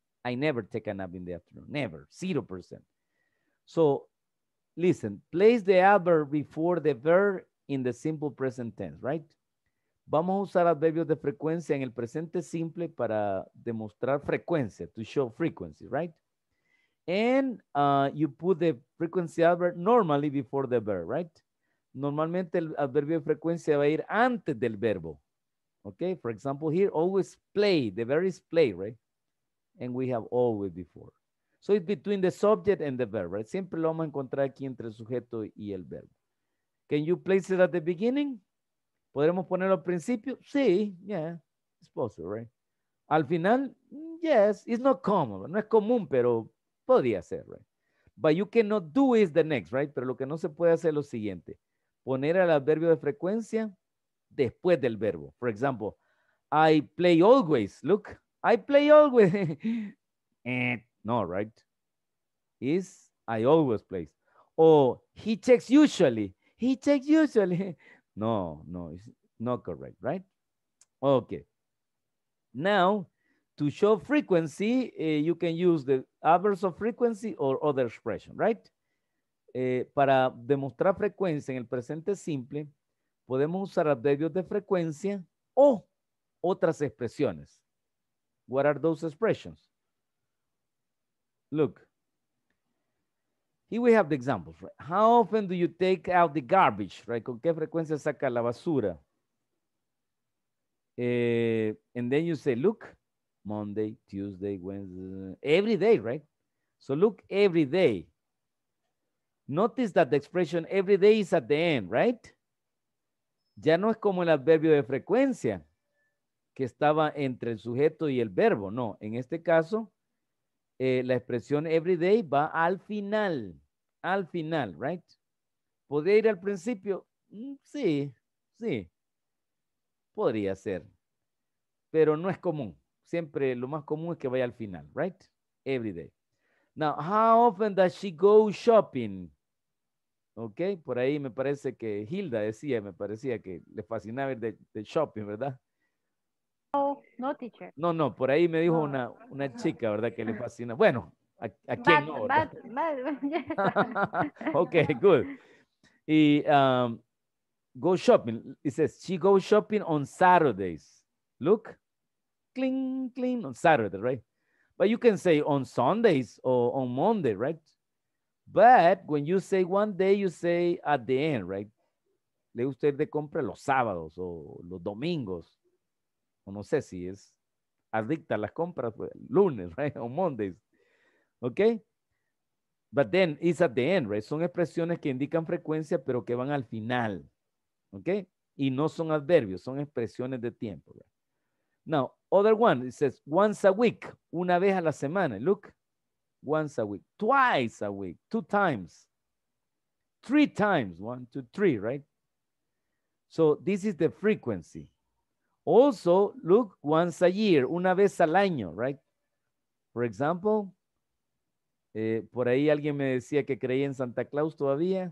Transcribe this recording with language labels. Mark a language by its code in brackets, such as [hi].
[en] I never take a nap in the afternoon. Never. 0%. So listen, place the adverb before the verb in the simple present tense, right? [es] Vamos a usar adverbios de frecuencia en el presente simple para demostrar frecuencia, [en] to show frequency, right? And you put the frequency adverb normally before the verb, right? [es] Normalmente el adverbio de frecuencia va a ir antes del verbo. [en] Okay, for example, here, always play, the verb is play, right? And we have always before. So it's between the subject and the verb, right? [es] Siempre lo vamos a encontrar aquí entre el sujeto y el verbo. [en] Can you place it at the beginning? [es] ¿Podremos ponerlo al principio? [en] Sí, yeah, it's possible, right? [es] Al final, [en] yes, it's not common. [es] No es común, pero podría ser, right? [en] But you cannot do is the next, right? [es] Pero lo que no se puede hacer es lo siguiente. Poner el adverbio de frecuencia después del verbo. [en] For example, I play always. Look, I play always. No, right? Is I always play. Or he checks usually. He checks usually. No, no, it's not correct, right? Okay. Now, to show frequency, you can use the adverbs of frequency or other expression, right? [es] Para demostrar frecuencia en el presente simple, podemos usar adverbios de frecuencia o otras expresiones. [en] What are those expressions? Look. Here we have the examples, right? How often do you take out the garbage, right? [es] ¿Con qué frecuencia saca la basura? [en] And then you say, look, Monday, Tuesday, Wednesday, every day, right? So look, every day. Notice that the expression every day is at the end, right? [es] Ya no es como el adverbio de frecuencia que estaba entre el sujeto y el verbo. No, en este caso, la expresión every day va al final. Al final, right? ¿Podría ir al principio? Sí, sí. Podría ser. Pero no es común. Siempre lo más común es que vaya al final, right? Every day. [en] Now, how often does she go shopping? [es] Ok, por ahí me parece que Hilda decía, me parecía que le fascinaba ir de shopping, ¿verdad? No, no, teacher. No, no, por ahí me dijo una chica, ¿verdad? Que le fascina. Bueno. ¿A quién [en] but, [es] no? [en] But. Ok, good. Y go shopping. It says, she goes shopping on Saturdays. Look. Cling, cling. On Saturday, right? But you can say on Sundays or on Monday, right? But when you say one day, you say at the end, right? [es] Le gusta ir de compra los sábados o los domingos. O no sé si es adicta a las compras, pues, lunes, right? [en] On Mondays. Okay, but then it's at the end, right? [es] Son expresiones que indican frecuencia, pero que van al final, okay? Y no son adverbios, son expresiones de tiempo, right? [en] Now, other one, it says once a week, [es] una vez a la semana, look. [en] Once a week, twice a week, two times, three times, one, two, three, right? So this is the frequency. Also, look once a year, [es] una vez al año, [en] right? [es] For example, por ahí alguien me decía que creía en Santa Claus todavía.